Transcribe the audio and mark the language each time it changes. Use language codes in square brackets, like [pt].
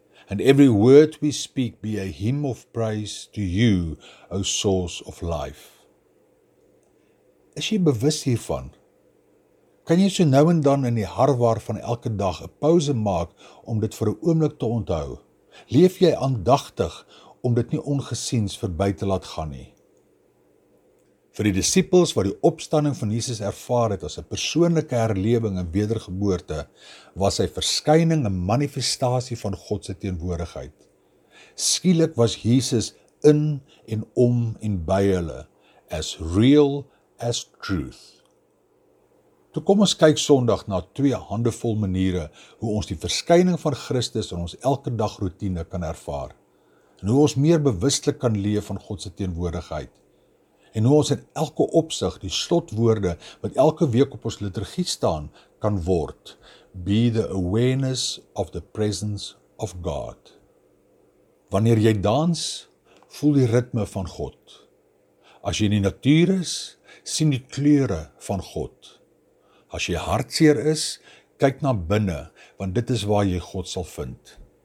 [en] And every word we speak be a hymn of praise to you, O source of life. [af] Is jy bewus hiervan? Kan jy so nou en dan in die harwar van elke dag 'n pauze maak om dit vir 'n oomblik te onthou? Leef jy aandagtig om dit nie ongesiens verby te laat gaan nie? Vir die disippels wat die opstanding van Jesus ervaar het as 'n persoonlike herlewing en wedergeboorte, was sy verskyning 'n manifestasie van God se teenwoordigheid. Skielik was Jesus in en om en by hulle, [en] as real as truth. [af] Toe kom ons kyk Sondag na twee handevol maniere hoe ons die verskyning van Christus in ons elke dag roetine kan ervaar en hoe ons meer bewustelik kan leef van God se teenwoordigheid. En hoe ons in elke opsig die slotwoorde wat elke week op ons liturgie staan, kan word. [en] Be the awareness of the presence of God. [af] Wanneer jy dans, voel die ritme van God. As jy in die natuur is, sien die kleure van God. As jy hartseer is, kyk na binne, want dit is waar jy God sal vind.